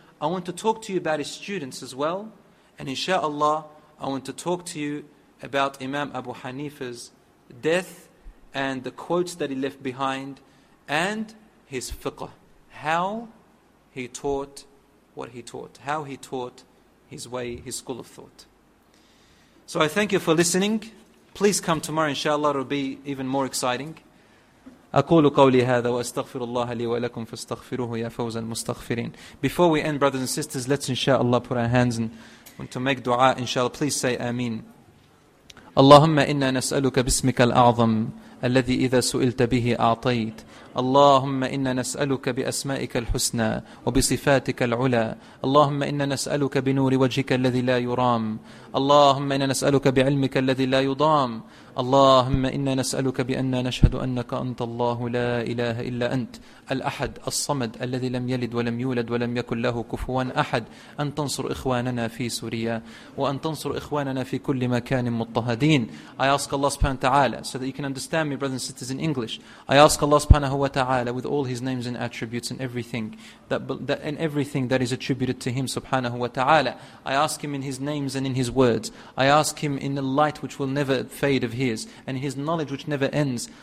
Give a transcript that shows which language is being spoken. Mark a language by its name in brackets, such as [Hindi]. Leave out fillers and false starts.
[English] I want to talk to you about his students as well. And inshallah, I want to talk to you about Imam Abu Hanifa's death and the quotes that he left behind and his fiqh. How he taught what he taught. How he taught his way, his school of thought. So I thank you for listening. Please come tomorrow, inshallah, it will be even more exciting. [Arabic] أقول قولي هذا وأستغفر الله لي ولكم فاستغفروه يا فوز المستغفرين. [English] Before we end, brothers and sisters, let's inshallah put our hands and want to make dua, inshallah. Please say Ameen. [Arabic] اللهم إنا نسألك باسمك الأعظم الذي إذا سئلت به أعطيت. اللهم إنا نسألك بأسمائك الحسنى وبصفاتك العلى. اللهم إنا نسألك بنور وجهك الذي لا يرام. اللهم إنا نسألك بعلمك الذي لا يضام. اللهم إنا نسألك بأننا نشهد أنك أنت الله لا إله إلا أنت الأحد الصمد الذي لم يلد ولم يولد ولم يكن له كفوا أحد. أن تنصر إخواننا في سوريا وأن تنصر إخواننا في كل مكان مضطهدين. [English] I ask Allah subhanahu wa ta'ala, so that you can understand me, brothers and sisters, in English. I ask Allah subhanahu wa ta'ala, with all his names and attributes and everything that is attributed to him, subhanahu wa ta'ala, I ask him in his names and in his words. I ask him in the light which will never fade of his, and his knowledge which never ends.